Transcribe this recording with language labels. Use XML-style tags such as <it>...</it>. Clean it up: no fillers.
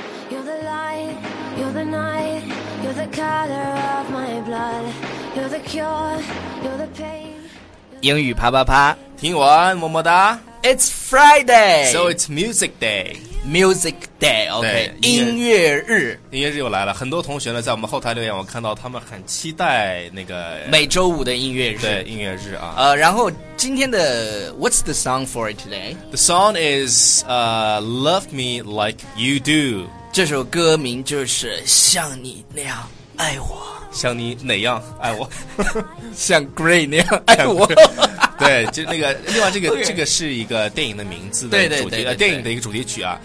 <en>You're the light, you're the night, you're the color of my blood, you're the cure, you're the pain.</en> <zh>英语啪啪啪，听完么么哒。</zh> <en>It's Friday, so it's Music Day. Music Day, OK,</en> <zh>音乐日，音乐日又来了。很多同学呢，在我们后台留言，我看到他们很期待那个每周五的音乐日。对，音乐日啊。然后今天的</zh> <en>What's the song for it today? The song is Love Me Like You Do.</en> <zh>这首歌名就是像你那样爱我，像你哪样爱我，像 Gray 那样爱我。对，就那个，另外这个、okay. 这个是一个电影的名字的主题，电影的一个主题曲啊。</zh>